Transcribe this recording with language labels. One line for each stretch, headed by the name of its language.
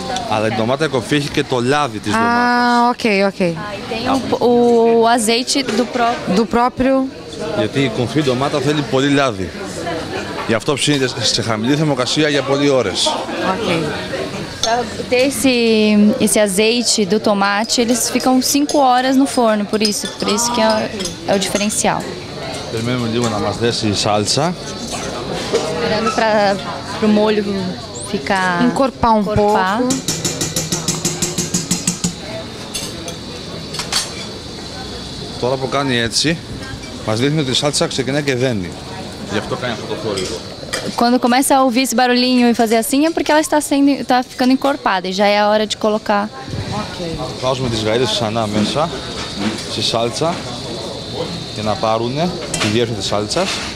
Portuguese: Além do tomate, confie que o lado de Ah, ok, ok. E tem o azeite do próprio.
Greek: Γιατί η κομφή ντομάτα θέλει πολύ λάδι. Γι' αυτό ψήνεται σε χαμηλή θερμοκρασία για πολλές ώρες.
English: Okay.
Portuguese: Ter esse azeite do tomate, eles ficam 5 horas no forno, por isso que é o diferencial.
Greek: Περιμένουμε λίγο να μας δέσει η σάλτσα.
Portuguese: Esperando para o molho ficar. Encorpar um pouco.
Greek: Τώρα που κάνει έτσι.
Portuguese: Mas dizem que a salsa
Greek: ξεκινά και δένει. Γι' αυτό κάνει αυτό το θόρυβο.
Portuguese: Quando começa a ouvir esse barulhinho e fazer assim, é porque ela está ficando encorpada e já é a hora de colocar. Ok.
Greek: Βάζουμε τις γαρίδες ξανά μέσα, στη σάλτσα, για να πάρουν τη γεύση της σάλτσας.